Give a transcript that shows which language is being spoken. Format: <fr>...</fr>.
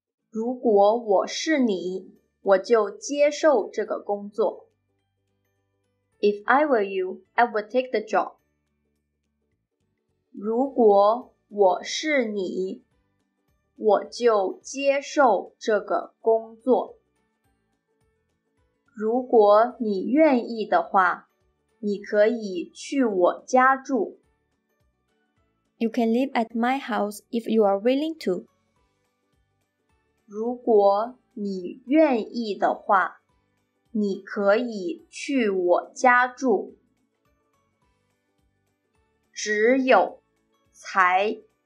<zh>如果我是你，我就接受这个工作。</zh> <en>If I were you, I would take the job.</en> <zh>如果我是你，我就接受这个工作。如果你愿意的话，你可以去我家住。</zh> <en>You can live at my house if you are willing to.</en> <zh>如果你愿意的话，你可以去我家住。只有才，</zh>